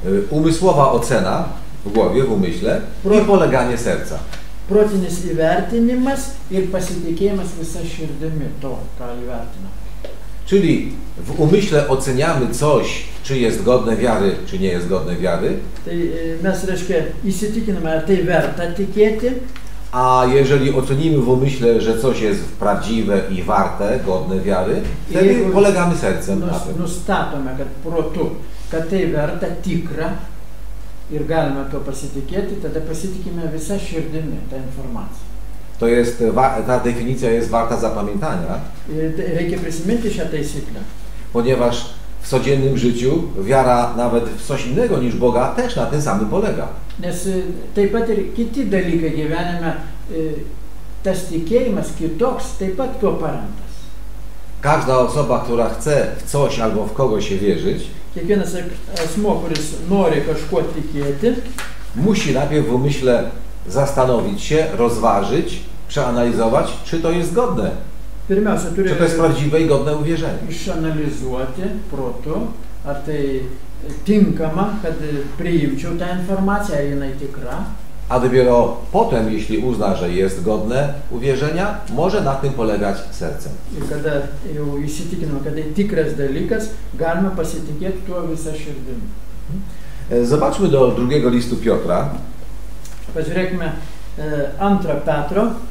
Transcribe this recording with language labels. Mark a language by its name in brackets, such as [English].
[Polish] Umysłowa ocena w głowie, w umyśle i poleganie serca. [Lithuanian] Protinis įvertinimas ir pasitikėjimas visa širdimi to, ką įvertina. [Polish] Czyli w umyśle oceniamy coś, czy jest godne wiary, czy nie jest godne wiary. [Lithuanian] Tai mes, reiškia, įsitikinamy, ar tai verta tikėti. [Polish] A jeżeli ocenimy w umyśle, że coś jest prawdziwe i warte, godne wiary, wtedy polegamy sercem na tym. [Lithuanian] Nustatome, kad protu, kad tai verta tikra, ir galima to pasitikėti, tada pasitikime visą širdimi tą informaciją. [Polish] To jest, ta definicja jest warta zapamiętania. [Lithuanian] Reikia prisiminti šią taisyklę. [Polish] Ponieważ w codziennym życiu wiara nawet w coś innego niż Boga też na tym samym polega. [Lithuanian] Nes taip pat ir kiti dalykai gyvenime, tas tikėjimas kitoks taip pat tuo paremtas. [Polish] Każda osoba, która chce w coś albo w kogoś się wierzyć, [Lithuanian] kiekvienas asmo, kuris nori kažkuo tikėti, [Polish] musi najpierw w umyśle zastanowić się, rozważyć, przeanalizować, czy to jest godne. [Lithuanian] Pirmiausia, [Polish] czy to jest prawdziwe i godne uwierzenie. [Lithuanian] Išanalizuoti protu, ar tai tinkama, kad priimčiau tą informaciją, ar jinai tikra. [Polish] A dopiero potem, jeśli uzna, że jest godne uwierzenia, może na tym polegać sercem. [Lithuanian] I kada jau įsitikinama, kada tikras dalykas, galima pasitikėti tuo visą širdimi. [Polish] Zobaczmy do drugiego listu Piotra. [Lithuanian] Pažiūrėkime antrą Petro.